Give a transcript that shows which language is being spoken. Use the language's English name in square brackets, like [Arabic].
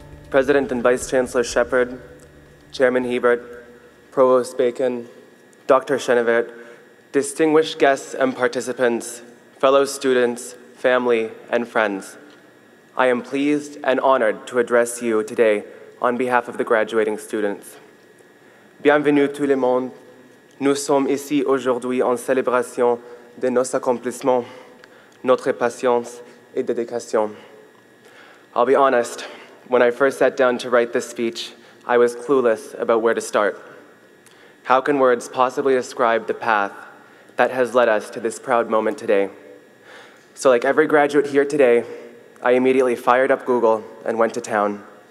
[English] President and Vice Chancellor Shepherd, Chairman Hebert, Provost Bacon, Dr. Chenevert, distinguished guests and participants, fellow students, family, and friends, I am pleased and honored to address you today on behalf of the graduating students. [French] Bienvenue tout le monde. Nous sommes ici aujourd'hui en célébration de nos accomplissements, notre patience et dédication. [English] I'll be honest, when I first sat down to write this speech, I was clueless about where to start. How can words possibly describe the path that has led us to this proud moment today? So like every graduate here today, I immediately fired up Google and went to town.